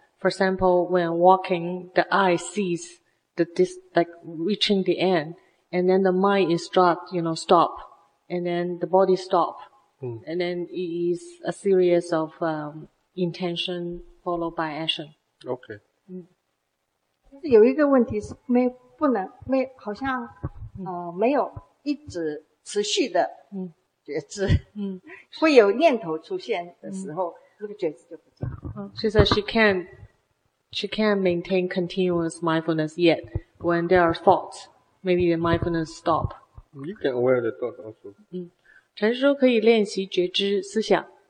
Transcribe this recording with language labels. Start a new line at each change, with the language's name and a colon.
English: For example, when walking, the eye sees the this like reaching the end, and then the mind instruct, you know, stop. and then the body stop. Mm. And then it is a series of intention followed by action. Okay.
Chinese: 有一个问题是没有一直持续的觉知，会有念头出现的时候，那个觉知就不错。
English: She says she can't maintain continuous mindfulness yet. When there are thoughts, maybe the mindfulness stop. You can aware the thoughts also.
Chinese: 陈师兄可以练习觉知思想。